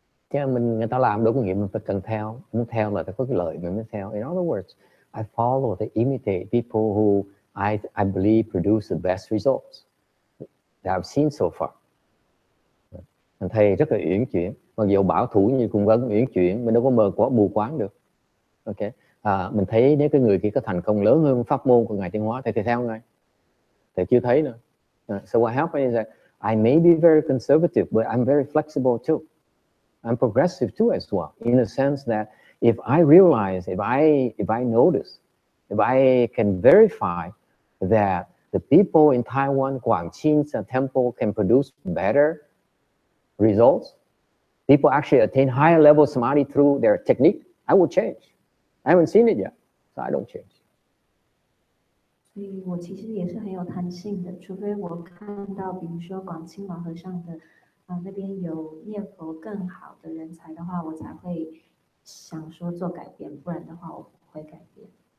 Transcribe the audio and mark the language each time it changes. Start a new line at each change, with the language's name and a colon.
Vietnamese: Chứ mình người ta làm đúng nghĩa mình phải cần theo, muốn theo là phải có cái lợi mình mới theo.
English: In other words, I follow, they imitate people who I believe produce the best results that I've seen so far.
Vietnamese: Thành thầy rất là uyển chuyển, mặc dù bảo thủ như cung vấn uyển chuyển, mình đâu có mờ quá mù quáng được. Ok, mình thấy nếu cái người kia có thành công lớn hơn pháp môn của ngài Tiên Hóa, thầy theo ngay. Thầy chưa thấy nữa.
English: So what happens is that I may be very conservative, but I'm very flexible too. I'm progressive too as well, in the sense that if I realize, if I notice, if I can verify that the people in Taiwan, Guangqing's temple can produce better results, people actually attain higher level samadhi through their technique, I will change. I haven't seen it yet, so I don't change.
Chinese: 所以我其实也是很有弹性的，除非我看到，比如说广清老和尚的那边有念佛更好的人才的话，我才会想说做改变，不然的话，我不会改变。